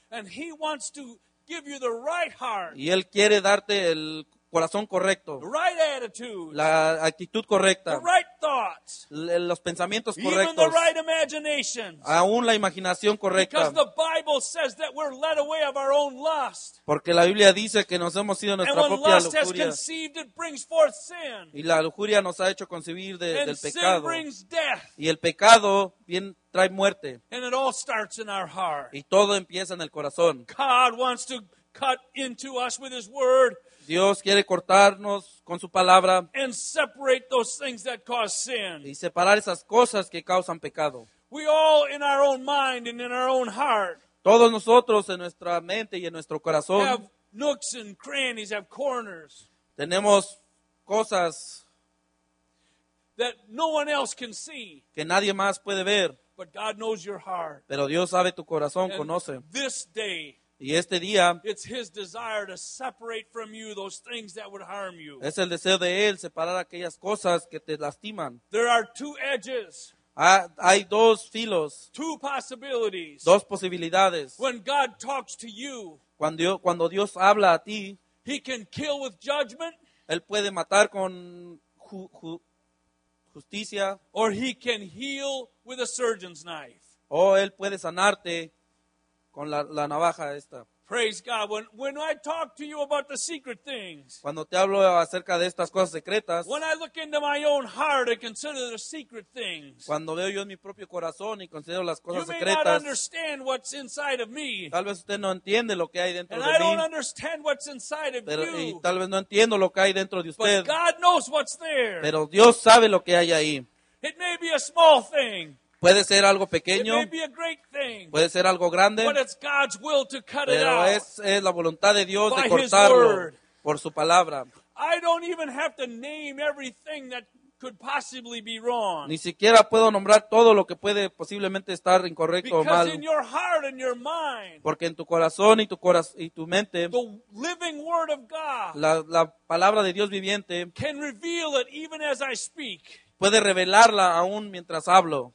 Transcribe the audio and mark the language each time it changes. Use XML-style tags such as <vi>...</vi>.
<en>And he wants to give you the right heart.</en> <es>Y él quiere darte el corazón correcto.</es> <en>The right attitude.</en> <es>La actitud correcta.</es> <en>The right thoughts.</en> <es>Los pensamientos correctos.</es> <en>Even the right imaginations.</en> <es>Aún la imaginación correcta.</es> <en>Because the Bible says that we're led away of our own lust.</en> <es>Porque la Biblia dice que nos hemos ido nuestra propia lujuria.</es> <en>And when lust has conceived, it brings forth sin.</en> <es>Y la lujuria nos ha hecho concebir del pecado.</es> <en>And sin brings death.</en> <es>Y el pecado viene trae muerte.</es> <en>And it all starts in our heart.</en> <es>Y todo empieza en el corazón.</es> <en>God wants to cut into us with his word.</en> <es>Dios quiere cortarnos con su palabra</es> <en>and separate those things that cause sin.</en> <es>Y separar esas cosas que causan pecado.</es> <en>We all in our own mind and in our own heart.</en> <es>Todos nosotros en nuestra mente y en nuestro corazón</es> <en>have nooks and crannies, have corners.</en> <es>Tenemos cosas</es> <en>that no one else can see.</en> <es>Que nadie más puede ver.</es> <en>But God knows your heart.</en> <es>Pero Dios sabe tu corazón,</es> <en>and</en> <es>conoce.</es> <en>This day</en> <es>y este día,</es> <en>it's his desire to separate from you those things that would harm you.</en> <es>Es el deseo de él separar aquellas cosas que te lastiman.</es> <en>There are two edges.</en> <es>Hay dos filos.</es> <en>Two possibilities.</en> <es>Dos posibilidades.</es> <en>When God talks to you,</en> <es>cuando Dios habla a ti,</es> <en>he can kill with judgment.</en> <es>Él puede matar con justicia.</es> <en>Or he can heal with a surgeon's knife.</en> <es>O él puede sanarte con la navaja esta.</es> <en>Praise God. When I talk to you about the secret things.</en> <es>Cuando te hablo acerca de estas cosas secretas.</es> <en>When I look into my own heart and consider the secret things.</en> <es>Cuando veo yo en mi propio corazón y considero las cosas</es> <en>you</en> <es>secretas.</es> <en>You may not understand what's inside of me.</en> <es>Tal vez usted no entiende lo que hay dentro</es> <en>and</en> <es>de</es> <en>I</en> <es>mí.</es> <en>And I don't understand what's inside of</en> <es>pero,</es> <en>you.</en> <es>Y tal vez no entiendo lo que hay dentro de usted.</es> <en>But God knows what's there.</en> <es>Pero Dios sabe lo que hay ahí.</es> <en>It may be a small thing.</en> <es>Puede ser algo pequeño.</es> <en>It may be a great thing,</en> <es>puede ser algo grande.</es> <en>But it's God's will to cut</en> <es>pero</es> <en>it out</en> <es>es la voluntad de Dios de cortarlo por su palabra.</es> <en>I don't even have to name everything that could possibly be wrong.</en> <es>Ni siquiera puedo nombrar todo lo que puede posiblemente estar incorrecto</es> <en>because</en> <es>o mal.</es> <en>In your heart and your mind,</en> <es>porque en tu corazón y tu mente,</es> <en>the living word of God,</en> <es>la palabra de Dios viviente,</es> <en>can reveal it even as I speak.</en> <es>Puede revelarla aún mientras hablo.</es>